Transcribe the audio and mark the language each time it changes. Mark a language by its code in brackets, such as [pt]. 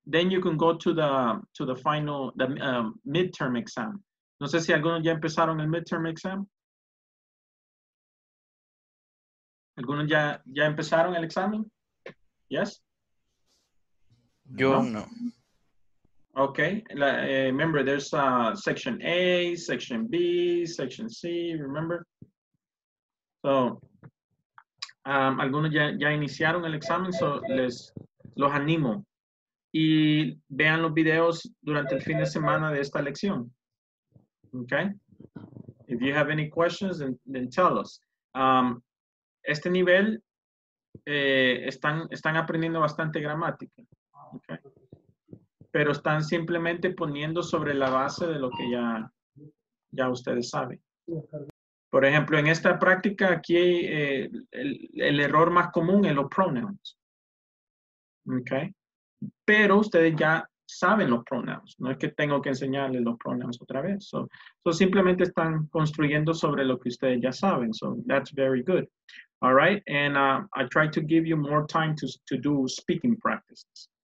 [en] Then you can go to the final, the midterm exam. [es] No sé si algunos ya empezaron el midterm exam. ¿Algunos ya empezaron el examen? Yes? Yo no. [en] Okay. Remember, there's section A, section B, section C, remember? [es] So, algunos ya iniciaron el examen, so los animo. Y vean los videos durante el fin de semana de esta lección. Okay? [en] If you have any questions, then tell us. [es] Este nivel, están aprendiendo bastante gramática. Okay? Pero están simplemente poniendo sobre la base de lo que ya ustedes saben. Por ejemplo, en esta práctica aquí, el error más común es los pronouns. Okay? Pero ustedes ya saben los pronouns. No es que tengo que enseñarles los pronouns otra vez. So simplemente están construyendo sobre lo que ustedes ya saben. [en] So that's very good. All right. And I try to give you more time to do speaking practices.